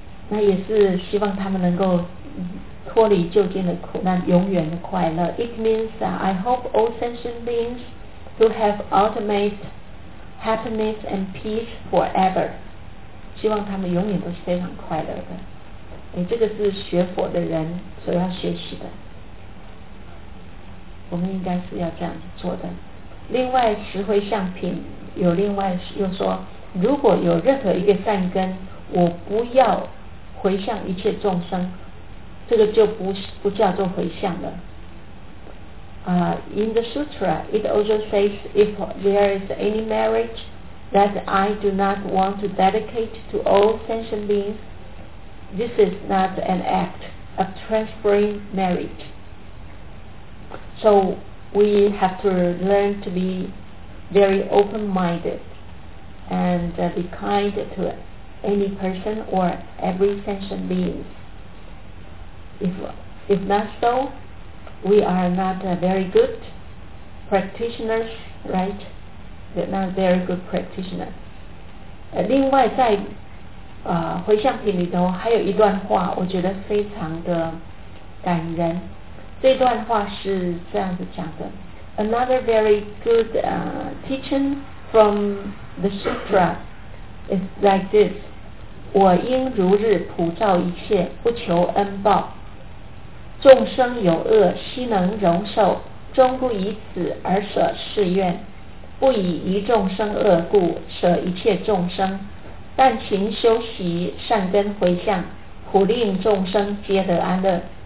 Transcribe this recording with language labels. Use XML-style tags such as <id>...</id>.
<zh>那也是希望他们能够脱离究竟的苦难，永远的快乐。</zh> <en>It means that I hope all sentient beings to have ultimate happiness and peace forever.</en> <zh>希望他们永远都是非常快乐的。这个是学佛的人所要学习的，我们应该是要这样子做的。另外十回向品有另外又说，如果有任何一个善根，我不要回向一切众生，这个就 不叫做回向了。</zh> <en>In the sutra, it also says if there is any marriage that I do not want to dedicate to all sentient beings, this is not an act of transferring marriage. So we have to learn to be very open-minded and be kind to any person or every sentient being. If not so, we are not very good practitioners, right? We're not very good practitioners.</en> <zh>另外在回向品里头还有一段话，我觉得非常的感人。这段话是这样子讲的。</zh> <en>Another very good teaching from the sutra is like this.</en> <zh>我应如日普照一切，不求恩报。众生有恶，悉能容受，终不以此而舍誓愿。不以一众生恶故，舍一切众生。但勤修习善根回向，普令众生皆得安乐。</zh>